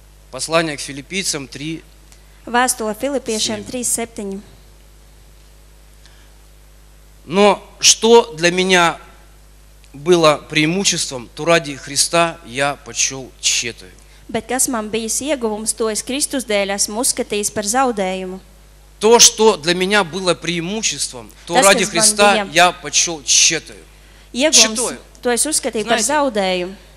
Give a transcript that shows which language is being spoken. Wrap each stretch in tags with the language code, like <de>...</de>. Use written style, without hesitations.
<ru>Послание к Филиппийцам 3.</ru> <lv>Vēstule Filipiešiem 3:7.</lv> <ru>Но что для меня было преимуществом, то ради Христа я почел тщетою.</ru> <lv>Bet kas man bijis ieguvums, to es Kristus dēļ esmu uzskatījis par zaudējumu.</lv> <ru>То, что для меня было преимуществом, то ради Христа я почел тщетою.</ru> <lv>Ieguvums, to es uzskatīju par zaudējumu.</lv>